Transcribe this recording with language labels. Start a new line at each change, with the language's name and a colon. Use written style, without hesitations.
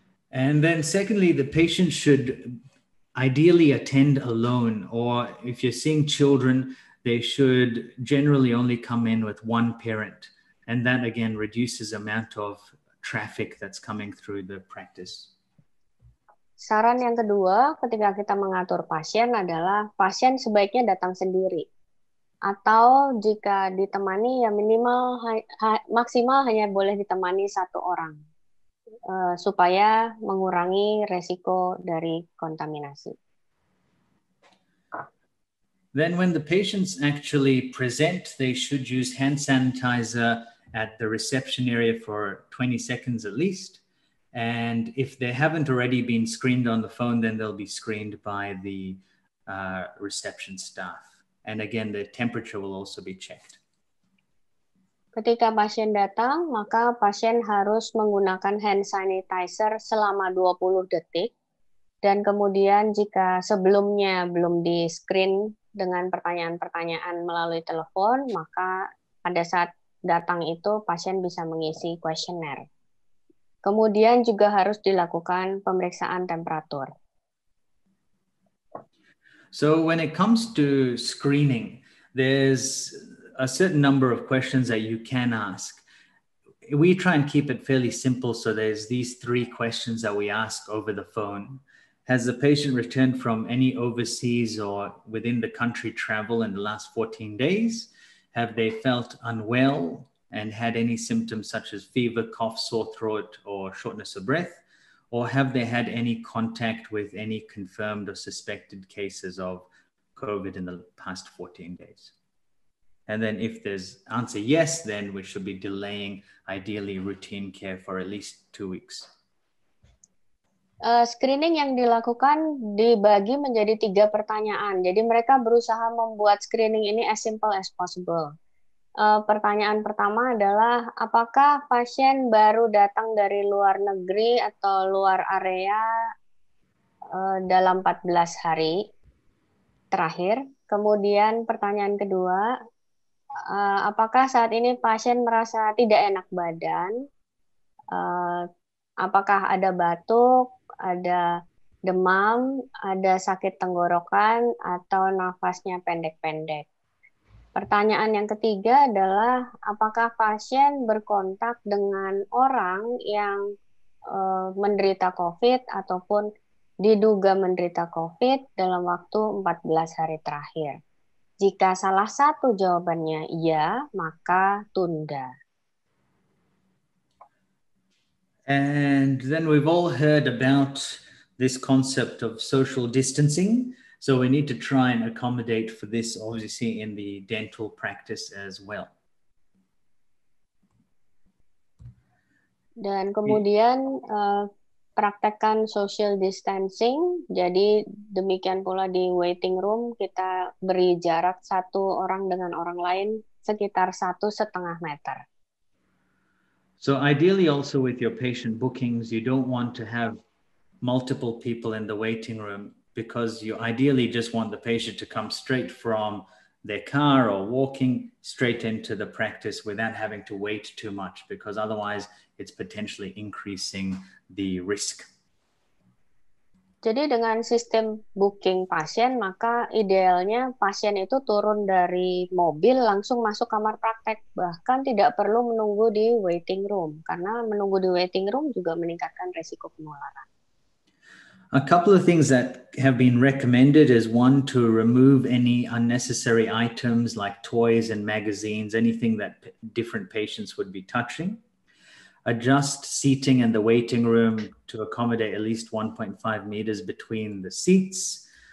English: And then secondly, the patient should ideally attend alone, or if you're seeing children, they should generally only come in with one parent. And that again reduces the amount of traffic that's coming through the practice.
Indonesian: Saran yang kedua ketika kita mengatur pasien adalah pasien sebaiknya datang sendiri. Atau jika ditemani, ya minimal maksimal hanya boleh ditemani satu orang. Supaya mengurangi resiko dari kontaminasi.
English: Then when the patients actually present, they should use hand sanitizer at the reception area for 20 seconds at least. And if they haven't already been screened on the phone, then they'll be screened by the reception staff. And again, the temperature will also be checked.
Indonesian: Ketika pasien datang, maka pasien harus menggunakan hand sanitizer selama 20 detik. Dan kemudian jika sebelumnya belum di-screen dengan pertanyaan-pertanyaan melalui telepon, maka pada saat datang itu pasien bisa mengisi kuesioner. Kemudian juga harus dilakukan pemeriksaan temperatur.
English: So when it comes to screening, there's a certain number of questions that you can ask. We try and keep it fairly simple, so there's these three questions that we ask over the phone. Has the patient returned from any overseas or within the country travel in the last 14 days? Have they felt unwell and had any symptoms such as fever, cough, sore throat, or shortness of breath? Or have they had any contact with any confirmed or suspected cases of COVID in the past 14 days? And then if there's answer yes, then we should be delaying ideally routine care for at least 2 weeks.
Indonesian: Screening yang dilakukan dibagi menjadi tiga pertanyaan. Jadi mereka berusaha membuat screening ini
English: as simple as possible.
Indonesian: Pertanyaan pertama adalah apakah pasien baru datang dari luar negeri atau luar area dalam 14 hari terakhir. Kemudian pertanyaan kedua, apakah saat ini pasien merasa tidak enak badan? Apakah ada batuk, ada demam, ada sakit tenggorokan, atau nafasnya pendek-pendek? Pertanyaan yang ketiga adalah apakah pasien berkontak dengan orang yang menderita COVID ataupun diduga menderita COVID dalam waktu 14 hari terakhir? Jika salah satu jawabannya iya, maka tunda.
English: And then we've all heard about this concept of social distancing. So we need to try and accommodate for this, obviously, in the dental practice as well.
Indonesian: Dan kemudian praktekkan social distancing. Jadi demikian pula di waiting room, kita beri jarak satu orang dengan orang lain sekitar 1.5 meter.
English: So ideally also with your patient bookings, you don't want to have multiple people in the waiting room because you ideally just want the patient to come straight from their car or walking straight into the practice without having to wait too much, because otherwise it's potentially increasing the risk.
Indonesian: Jadi dengan sistem booking pasien, maka idealnya pasien itu turun dari mobil langsung masuk kamar praktek, bahkan tidak perlu menunggu di waiting room, karena menunggu di waiting room juga meningkatkan risiko penularan.
English: A couple of things that have been recommended is one, to remove any unnecessary items like toys and magazines, anything that different patients would be touching. Adjust seating in the waiting room to accommodate at least 1.5 meters between the seats.